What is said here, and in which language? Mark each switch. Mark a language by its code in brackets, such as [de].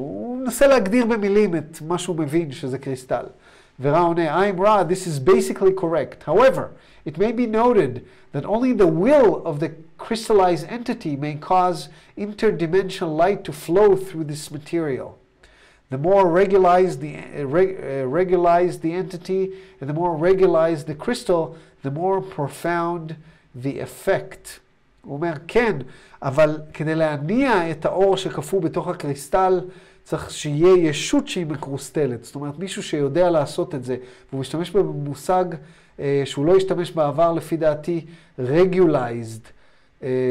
[he] הוא מנסה להגדיר במילים את מה שהוא מבין שזה קריסטל. ורא עונה, [en] I'm Ra, this is basically correct. However, it may be noted that only the will of the crystallized entity may cause interdimensional light to flow through this material. The more regularized regularized the entity and the more regularized the crystal, the more profound the effect. [he] הוא אומר, כן, אבל כדי להניע את האור שקפו בתוך הקריסטל, צריך שיהיה ישות שהיא מקרוסטלת. זאת אומרת, מישהו שיודע לעשות את זה, והוא משתמש במושג שהוא לא השתמש בעבר, לפי דעתי, regularized.